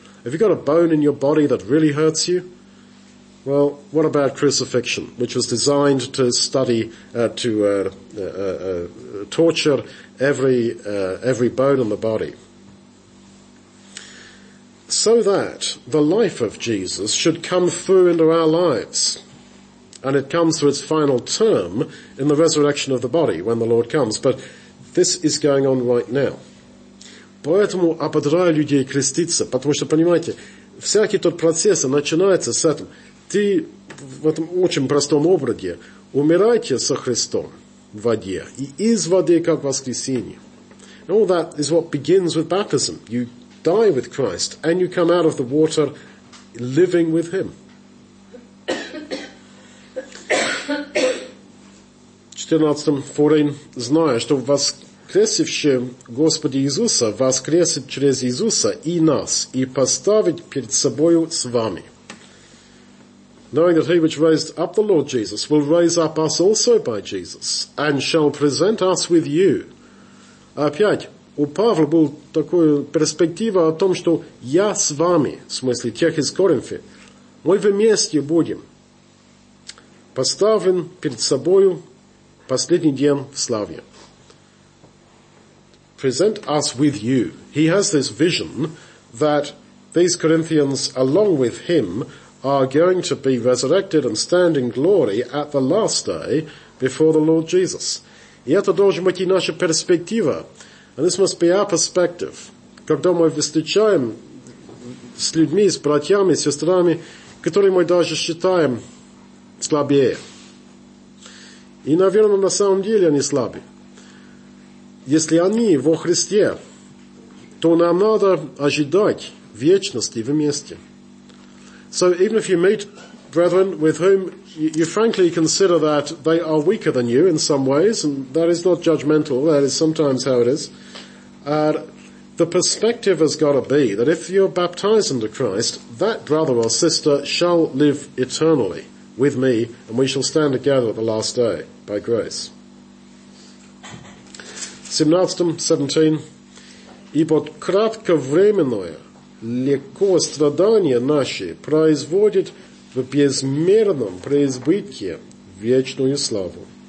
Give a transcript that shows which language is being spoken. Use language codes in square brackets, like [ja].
[en] Have you got a bone in your body that really hurts you? Well, what about crucifixion, which was designed to study, torture every bone in the body? So that the life of Jesus should come through into our lives. And it comes to its final term in the resurrection of the body when the Lord comes. But this is going on right now. [ru] Поэтому ободраю людей креститься, потому что, понимаете, всякий тот процесс начинается с этого. Ты в этом очень простом образе умираете со Христом в воде и из воды как воскресение. [en] And all that is what begins with baptism. You die with Christ and you come out of the water living with Him. 14. [ru] Знаю, что воскресивший Господи Иисуса воскресит через Иисуса и нас и поставит перед собою с вами. [en] Knowing that he which raised up the Lord Jesus will raise up us also by Jesus and shall present us with you. [ru] опять, у Павла была такая перспектива о том, что я с вами, в смысле тех из Коринфа, мы вместе будем поставлен перед собою последний день в славе. [en] Present us with you. He has this vision that these Corinthians, along with him, are going to be resurrected and stand in glory at the last day before the Lord Jesus. [ru] И это должна быть и наша перспектива. [en] And this must be our perspective. [ru] Когда мы встречаем с людьми, с братьями, с сестрами, которые мы даже считаем слабее. И, наверное, на самом деле они слабые. Если они во Христе, то нам надо ожидать вечности вместе. [en] So even if you meet brethren with whom you frankly consider that they are weaker than you in some ways, and that is not judgmental, that is sometimes how it is, the perspective has got to be that if you're baptized into Christ, that brother or sister shall live eternally with me, and we shall stand together at the last day by grace. 17. [ru] Ибо кратковременное, легко страдание наше производит в безмерном преизбытке вечную славу.